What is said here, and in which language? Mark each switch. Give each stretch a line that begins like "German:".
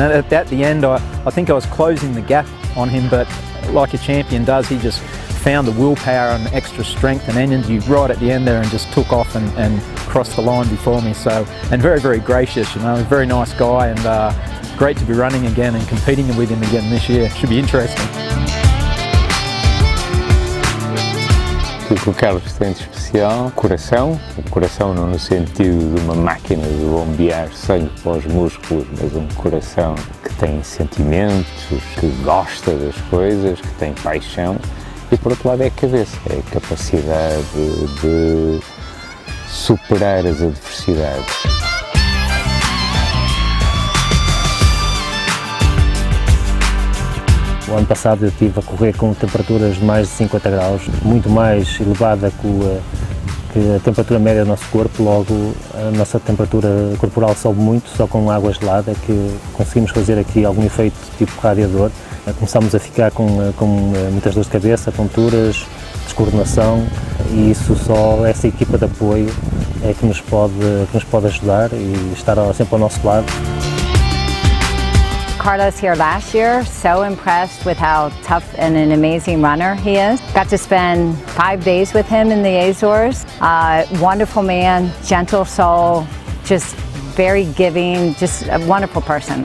English: And at the end, I think I was closing the gap on him, but like a champion does, he just found the willpower and extra strength and energy right at the end there, and just took off and crossed the line before me. So, and very, very gracious, you know, very nice guy, and great to be running again and competing with him again this year. Should be interesting.
Portuguese: O que o Carlos tem de especial, coração não no sentido de uma máquina de bombear sangue para os músculos, mas um coração que tem sentimentos, que gosta das coisas, que tem paixão. E por outro lado é a cabeça, é a capacidade de superar as adversidades. O ano passado eu estive a correr com temperaturas de mais de 50 graus, muito mais elevada que a temperatura média do nosso corpo. Logo, a nossa temperatura corporal sobe muito, só com água gelada, que conseguimos fazer aqui algum efeito tipo radiador. Começámos a ficar com muitas dores de cabeça, tonturas, descoordenação, e isso só essa equipa de apoio é que nos pode ajudar e estar sempre ao nosso lado.
English: Carlos here last year, so impressed with how tough and an amazing runner he is. Got to spend 5 days with him in the Azores. Wonderful man, gentle soul, just very giving, just a wonderful person.